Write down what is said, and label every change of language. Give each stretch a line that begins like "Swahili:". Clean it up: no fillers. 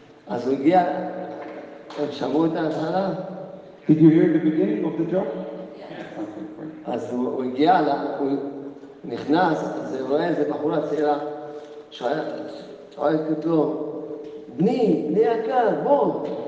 Hebrew: אז הוא הגיע, הם שמעו את ההתחלה?
English: Did you hear the beginning of the joke?
Hebrew: אז הוא הגיע, הוא נכנס, אז הוא רואה איזה בחורה צעירה, שואל כתלו, בני, בני יקר, בוא.